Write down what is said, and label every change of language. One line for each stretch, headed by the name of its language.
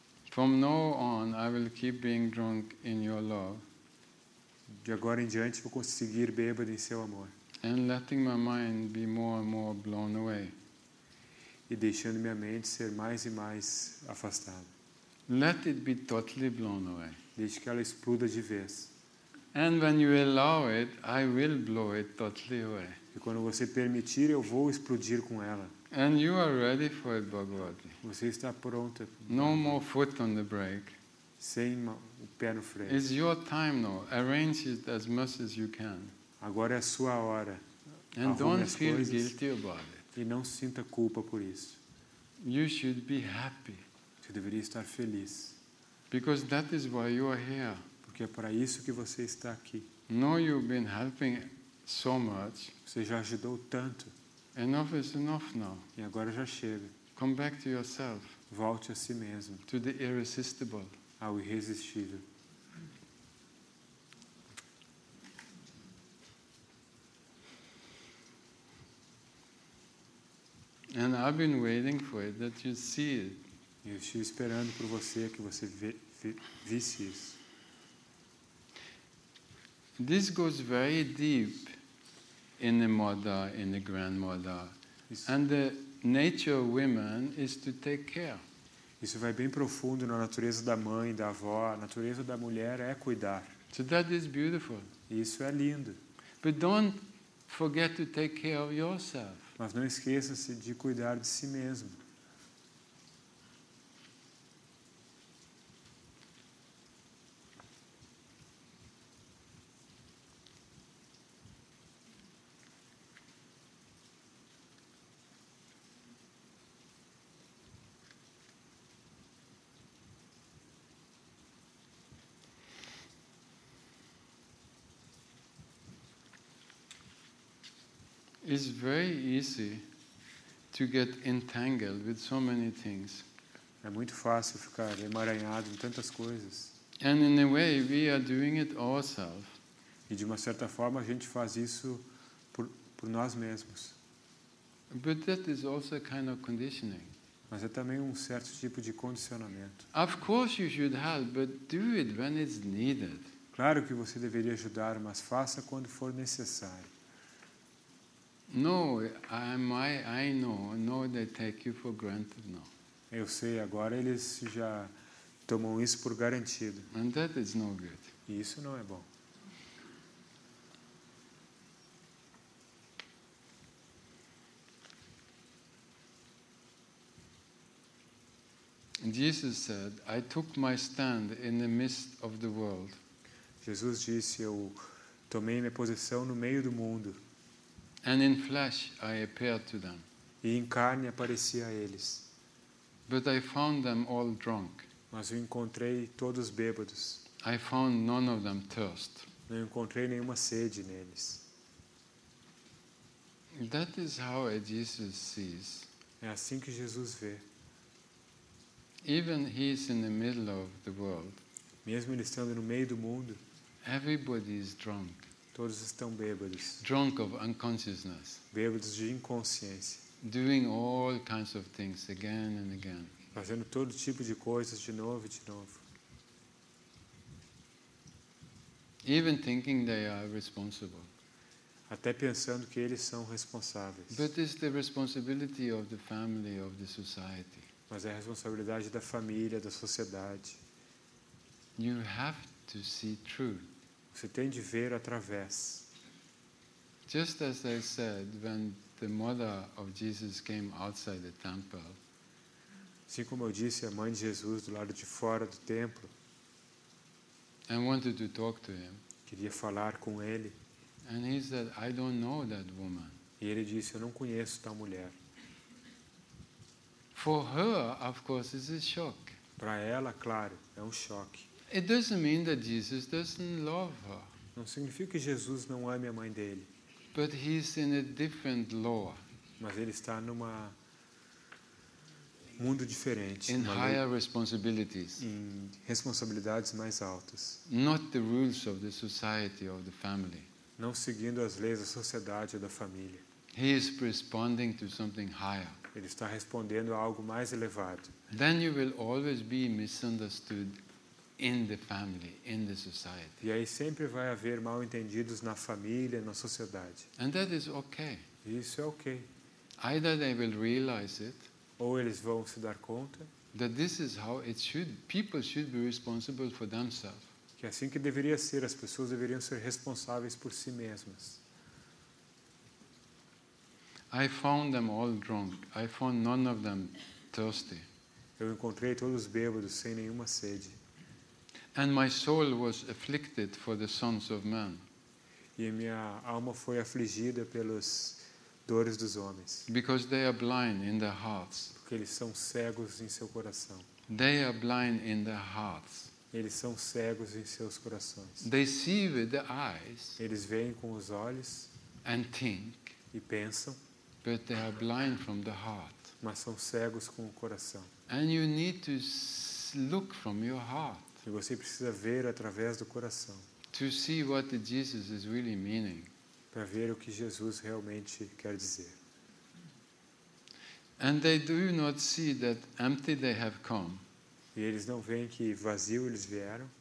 English: From now on, I will keep being drunk in your love.
Portuguese: De agora em diante, vou conseguir bêbado em seu amor.
English: And letting my mind be more and more blown away.
Portuguese: E deixando minha mente ser mais e mais afastada.
English: Let it be totally blown away.
Portuguese: Deixe que ela exploda de vez.
English: And when you allow it, I will blow it totally away.
Portuguese: E quando você permitir, eu vou explodir com ela.
English: And you are ready for it, Bhagavati.
Portuguese: Você está pronta.
English: No more foot on the brake.
Portuguese: Sem o pé no freio.
English: It's your time now. Arrange it as much as you can.
Portuguese: Agora é a sua hora.
English: And don't feel guilty about it.
Portuguese: E não sinta culpa por isso.
English: You should be happy.
Portuguese: Você deveria estar feliz.
English: Because that is why you are here.
Portuguese: Porque é para isso que você está aqui.
English: Now you've been helping so much.
Portuguese: Você já ajudou tanto.
English: Enough is enough now.
Portuguese: E agora já chega.
English: Come back to yourself.
Portuguese: Volte a si mesmo.
English: To the irresistible.
Portuguese: Ao irresistível.
English: And I've been waiting for it, that you see it.
Portuguese: Eu estive esperando por você que você visse isso.
English: This goes very deep in the mother, in the grandmother.
Portuguese: Isso.
English: And the nature of women is to take care.
Portuguese: Isso vai bem profundo na natureza da mãe, da avó. A natureza da mulher é cuidar.
English: So that is beautiful.
Portuguese: Isso é lindo.
English: But don't forget to take care of yourself.
Portuguese: Mas não esqueça-se de cuidar de si mesmo.
English: It's very easy to get entangled with so many things.
Portuguese: É muito fácil ficar emaranhado em tantas coisas.
English: And in a way, we are doing it ourselves.
Portuguese: E de uma certa forma, a gente faz isso por nós mesmos.
English: But that is also a kind of conditioning.
Portuguese: Mas é também um certo tipo de condicionamento.
English: Of course, you should help, but do it when it's needed.
Portuguese: Claro que você deveria ajudar, mas faça quando for necessário.
English: No, I know. No, they take you for granted now.
Portuguese: Eu sei. Agora eles já tomam isso por garantido.
English: And that is no good.
Portuguese: Isso não é bom.
English: Jesus said, "I took my stand in the midst of the world."
Portuguese: Jesus disse, "Eu tomei minha posição no meio do mundo."
English: And in flesh I appeared to them.
Portuguese: E em carne apareci a eles.
English: But I found them all drunk.
Portuguese: Mas eu encontrei todos bêbados.
English: I found none of them thirst.
Portuguese: Não encontrei nenhuma sede neles.
English: That is how Jesus sees.
Portuguese: É assim que Jesus vê.
English: Even he is in the middle of the world.
Portuguese: Mesmo ele estando no meio do mundo.
English: Everybody is drunk.
Portuguese: Todos estão bêbados.
English: Drunk of unconsciousness.
Portuguese: Bêbados de inconsciência.
English: Doing all kinds of things again and again.
Portuguese: Fazendo todo tipo de coisas de novo e de novo.
English: Even thinking they are responsible.
Portuguese: Até pensando que eles são responsáveis.
English: But it's the responsibility of the family, of the society.
Portuguese: Mas é a responsabilidade da família, da sociedade.
English: You have to see through.
Portuguese: Você tem de ver através.
English: Just as I said, when the mother of Jesus came outside the temple.
Portuguese: Assim como eu disse, a mãe de Jesus do lado de fora do templo.
English: and wanted to talk to him.
Portuguese: Queria falar com ele.
English: And he said, I don't know that woman.
Portuguese: E ele disse, eu não conheço tal mulher.
English: For her, of course, it's a shock.
Portuguese: Para ela, claro, é um choque.
English: It doesn't mean that Jesus doesn't love her.
Portuguese: Não significa que Jesus não ame a mãe dele.
English: But he's in a different law.
Portuguese: Mas ele está numa mundo diferente.
English: In higher responsibilities.
Portuguese: Em responsabilidades mais altas.
English: Not the rules of the society or the family.
Portuguese: Não seguindo as leis da sociedade ou da família.
English: He is responding to something higher.
Portuguese: Ele está respondendo a algo mais elevado.
English: Then you will always be misunderstood in the family, in the society.
Portuguese: E aí sempre vai haver mal-entendidos na família, na sociedade.
English: And that is okay.
Portuguese: Isso é ok.
English: Either they will realize it.
Portuguese: Ou eles vão se dar conta.
English: That this is how it should. People should be responsible for themselves.
Portuguese: Que assim que deveria ser, as pessoas deveriam ser responsáveis por si mesmas.
English: I found them all drunk. I found none of them thirsty.
Portuguese: Eu encontrei todos bêbados, sem nenhuma sede.
English: And my soul was afflicted for the sons of men.
Portuguese: E minha alma foi afligida pelos dores dos homens.
English: Because they are blind in their hearts.
Portuguese: Porque eles são cegos em seu coração.
English: They are blind in their hearts.
Portuguese: Eles são cegos em seus corações.
English: They see with their eyes.
Portuguese: Eles veem com os olhos.
English: And think.
Portuguese: E pensam.
English: But they are blind from the heart.
Portuguese: Mas são cegos com o coração.
English: And you need to look from your heart.
Portuguese: E você precisa ver através do coração.
English: To see what Jesus is really meaning.
Portuguese: Para ver o que Jesus realmente quer dizer.
English: And they do not see that empty they have come.
Portuguese: E eles não veem que vazio eles vieram.